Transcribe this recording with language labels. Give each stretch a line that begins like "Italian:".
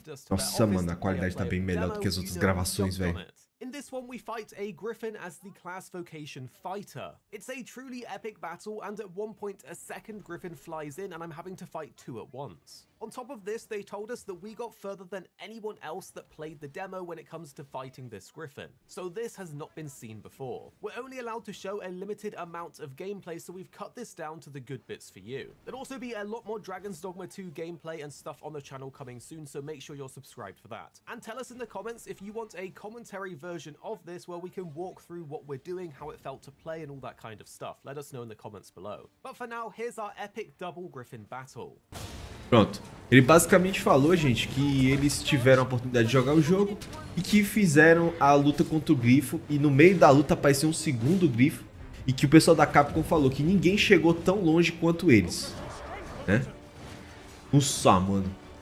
Portuguese: Nossa, mano, a qualidade tá bem melhor do que as outras gravações, velho.
English: In this one, we fight a Griffin as the class vocation fighter. It's a truly epic battle, and at one point, a second Griffin flies in, and I'm having to fight two at once. On top of this, they told us that we got further than anyone else that played the demo when it comes to fighting this Griffin. So this has not been seen before. We're only allowed to show a limited amount of gameplay, so we've cut this down to the good bits for you. There'll also be a lot more Dragon's Dogma 2 gameplay and stuff on the channel coming soon, so make sure you're subscribed for that. And tell us in the comments if you want a commentary version of this where we can walk through what we're doing, how it felt to play, and all that kind of stuff. Let us know in the comments below. But for now, here's our epic double Griffin battle.
Portuguese: Pronto, ele basicamente falou, gente, que eles tiveram a oportunidade de jogar o jogo e que fizeram a luta contra o Grifo, e no meio da luta apareceu um segundo Grifo, e que o pessoal da Capcom falou que ninguém chegou tão longe quanto eles, né? Nossa, mano.